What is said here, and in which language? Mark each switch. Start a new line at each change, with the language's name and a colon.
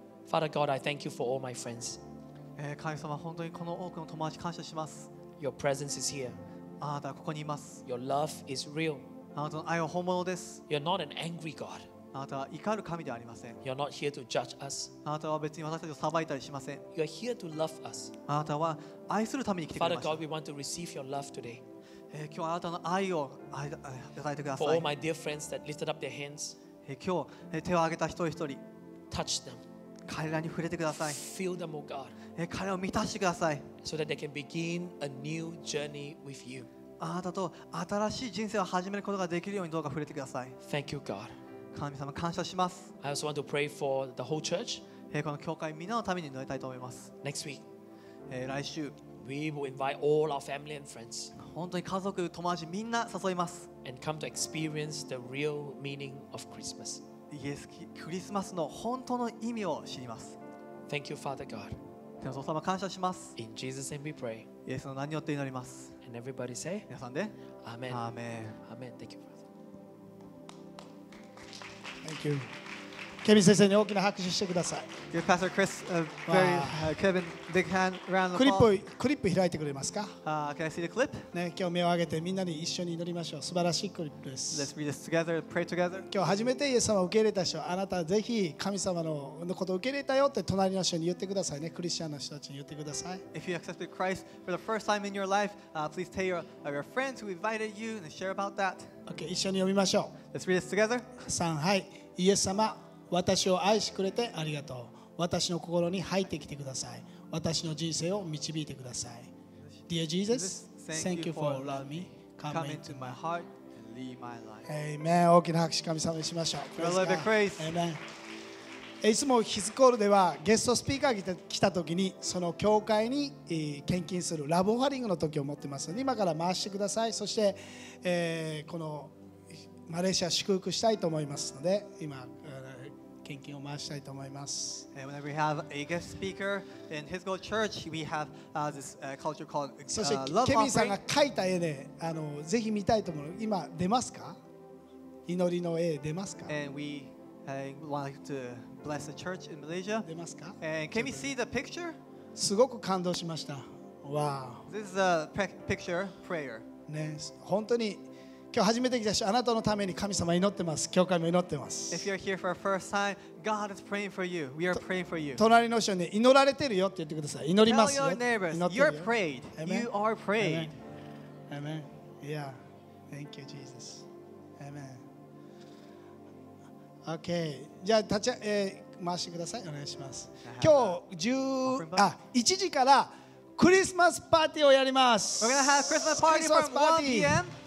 English: Father God, I thank you for all my friends.
Japanese: 神様、本当にこの多くの友達感謝します。
English: Your presence is here.
Japanese: あなたはここにいます。
English: Your love is real.
Japanese: あなたの愛は本物です。
English: You're not an angry God.
Japanese: あなたは怒る神ではありません。
English: You're not here to judge us.
Japanese: あなたは別に私たちを裁いたりしません。
English: You're here to love us.
Japanese: あなたは愛するために来てくれました。
English: Father God, we want to receive your love today.
Japanese: 今日あなたの愛を与えてください。
English: For all my dear friends that lifted up their hands.
Japanese: 今日手を挙げた一人一人。
English: Touch them.
Japanese: 彼らに触れてください。
English: Feel them, O God.
Japanese: 彼を満たしてください。
English: So that they can begin a new journey with you.
Japanese: あなたと新しい人生を始めることができるようにどうか触れてください。
English: Thank you, God.
Japanese: 神様、感謝します。
English: I also want to pray for the whole church.
Japanese: この教会みんなのために祈りたいと思います。
English: Next week.
Japanese: 来週。
English: We will invite all our family and friends.
Japanese: 本当に家族、友達みんな誘います。
English: And come to experience the real meaning of Christmas.
Japanese: イエス、クリスマスの本当の意味を知ります。
English: Thank you, Father God.
Japanese: 天の父様感謝します。
English: In Jesus' name we pray.
Japanese: イエスの名によって祈ります。
English: And everybody say.
Japanese: 皆さんで
English: Amen. Amen. Amen. Thank you. Thank you.
Japanese: Kevin 先生に大きな拍手してください。
English: Give Pastor Chris a very Kevin big hand round of applause.
Japanese: クリップ開いてくれますか。
English: Can I see the clip?
Japanese: ね、今日目を上げてみんなに一緒に祈りましょう。素晴らしいクリップです。
English: Let's read this together. Pray together.
Japanese: 今日初めてイエス様を受け入れた人、あなたぜひ神様のことを受け入れたよって隣の人に言ってくださいね。クリスチャンの人たちに言ってください。
English: If you accepted Christ for the first time in your life, please tell your friends who invited you and share about that.
Japanese: Okay, 一緒に読みましょう。
English: Let's read this together.
Japanese: 三、はい。イエス様、私を愛してくれてありがとう。私の心に入ってきてください。私の人生を導いてください。
English: Dear Jesus, thank you for loving me. Come into my heart and lead my life. Amen.
Japanese: 大きな拍手、神様にしましょう。
English: We love the grace. Amen.
Japanese: いつもヒズコールではゲストスピーカーが来た時にその教会に献金するラブオファリングの時を持ってますので、今から回してください。そして、このマレーシア祝福したいと思いますので、今献金を回したいと思います。
English: Whenever we have a guest speaker in His Gold Church, we have this culture called love offering.
Japanese: そしてケビンさんが描いた絵ね、ぜひ見たいと思う。今出ますか？祈りの絵出ますか
English: ？And we want to bless the church in Malaysia.
Japanese: 出ますか
English: ？And can we see the picture?
Japanese: すごく感動しました。わあ。
English: This is a picture prayer.
Japanese: ね、本当に。今日初めて来た人、あなたのために神様祈ってます。教会も祈ってます。
English: If you're here for the first time, God is praying for you. We are praying for you.
Japanese: 隣の人に祈られてるよって言ってください。祈りますよ。
English: Tell your neighbors, you're prayed. You are prayed. Amen. Yeah. Thank you, Jesus. Amen. Okay.
Japanese: じゃあ立ち、回してください。お願いします。今日1時からクリスマスパーティーをやります。
English: We're gonna have Christmas party from 1 p.m.